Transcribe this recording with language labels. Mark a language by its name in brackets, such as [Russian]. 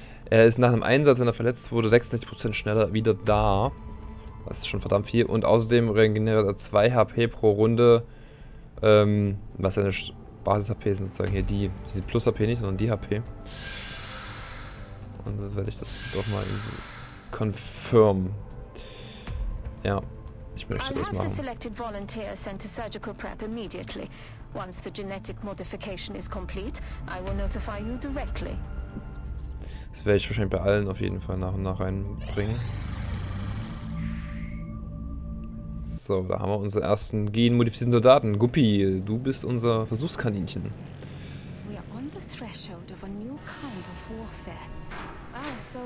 [German] Er ist nach dem Einsatz, wenn er verletzt wurde, 66% schneller wieder da. Das ist schon verdammt viel. Und außerdem regeneriert er 2 HP pro Runde. Was seine Basis-HP sind sozusagen hier die. Die Plus-HP nicht, sondern die HP. Und dann werde ich das doch mal confirm. Ja, ich möchte das machen. [English] I'll have the selected volunteer sent to surgical prep immediately. Once the genetic modification is complete, I will notify you directly. [German] Das werde ich wahrscheinlich bei allen auf jeden Fall nach und nach reinbringen. So, da haben wir unsere ersten genmodifizierten Soldaten. Guppy, du bist unser Versuchskaninchen. Wir sind auf dem Threshold eines neuen Art von Warfare.